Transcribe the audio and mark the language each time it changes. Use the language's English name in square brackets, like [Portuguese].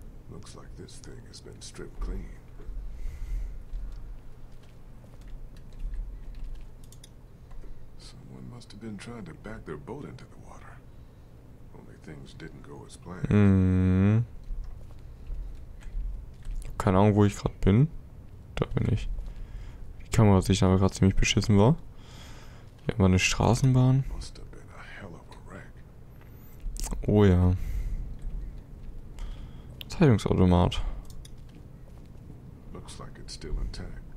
[English] Looks like this thing has been stripped clean. Someone must have been trying to back their boat into the water. Only things didn't go as planned. [German] Keine Ahnung, wo ich gerade bin. Da bin ich. Die Kamera sich aber gerade ziemlich beschissen war. Hier haben wir eine Straßenbahn. [English] Must have been a hell of a wreck. [German] Oh ja. Zeitungsautomat. [English] Looks like it's still intact.